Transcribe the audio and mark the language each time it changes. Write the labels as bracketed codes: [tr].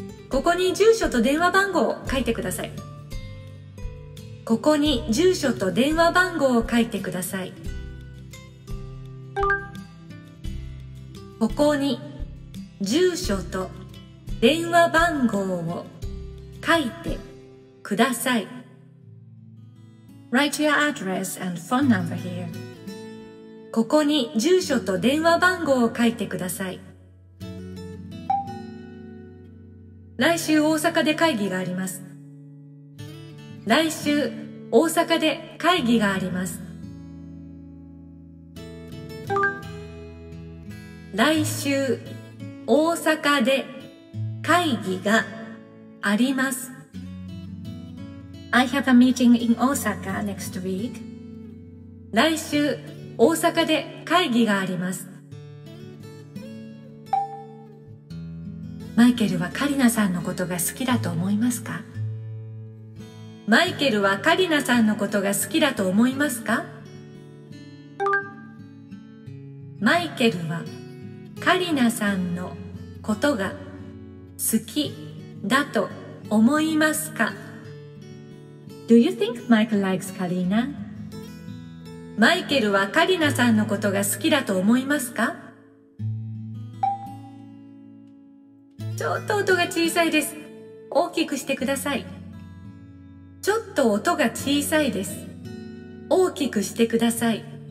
[ja] ここに住所と電話番号を書いてください。ここに住所と電話番号を書いてください。ここに住所と電話番号を書いてください。 [en] Write your address and phone number here. [ja] ここに住所と電話番号を書いてください。来週大阪で会議があります。来週大阪で会議があります。来週大阪で会議があります。 [en] I have a meeting in Osaka next week. [ja] 来週大阪で会議があります。マイケルはカリナさんのことが好きだと思いますか？マイケルはカリナさんのことが好きだと思いますか？マイケルはカリナさんのことが好きだと思いますか？ [en] Do you think Mike likes Karina? [ja] マイケルはカリナさんのことが好きだと思いますか？ちょっと音が小さいです。大きくしてください。ちょっと音が小さいです。大きくしてください。